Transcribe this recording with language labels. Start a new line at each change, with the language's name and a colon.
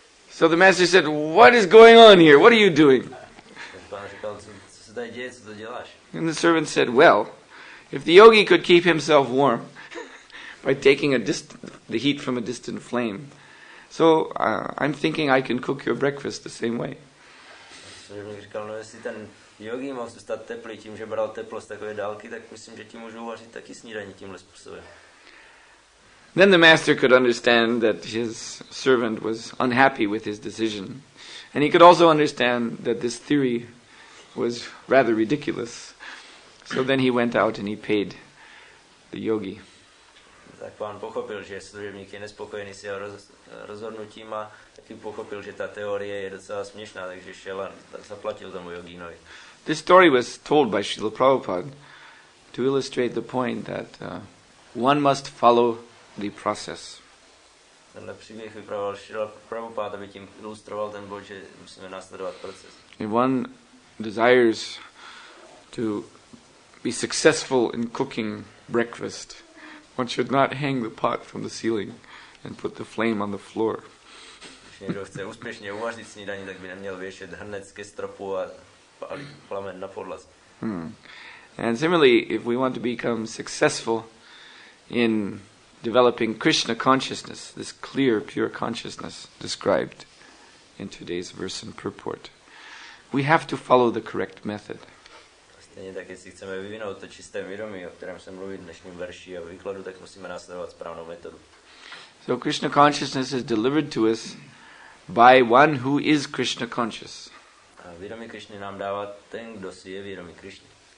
English: So the master said, "What is going on here? What are you doing?"
Czech: Pan říkal, co se tady děje, co to děláš?
English: And the servant said, "Well, if the yogi could keep himself warm by taking the heat from a distant flame, so I'm thinking I can cook your breakfast the same way."
Czech: Služebník říkal, no jestli ten yogi mohl zůstat teplý tím, že bral teplo z takové dálky, tak myslím, že ti můžu uvařit taky snídaní tímhle způsobem.
English: Then the master could understand that his servant was unhappy with his decision. And he could also understand that this theory was rather ridiculous. So then he went out and he paid the yogi.
Czech: Tak pán pochopil, že služebník je nespokojený s jeho rozhodnutím a taky pochopil, že ta teorie je docela směšná, takže šel a zaplatil tomu yoginovi.
English: This story was told by Srila Prabhupada to illustrate the point that one must follow the process.
Czech: Tenhle příběh vyprávěl Šrila Prabhupáda, aby tím ilustroval ten bod, že musíme následovat proces.
English: If one desires to be successful in cooking breakfast, one should not hang the pot from the ceiling and put the flame on the floor.
Czech: Když někdo chce úspěšně uvařit snídaní, tak by neměl věšet hrnec ke stropu a pálit plamen na podlaze.
English: And similarly, if we want to become successful in developing Krishna consciousness, this clear, pure consciousness described in today's verse and purport, we have to follow the correct method.
Czech: Stejně tak, jestli chceme vyvinout to čisté vědomí, o kterém se mluví v dnešním verši a výkladu, tak musíme následovat správnou metodu.
English: So Krishna consciousness is delivered to us by one who is Krishna conscious.
Czech: A vědomí Krishny nám dává ten, kdo si je vědomí Krishny.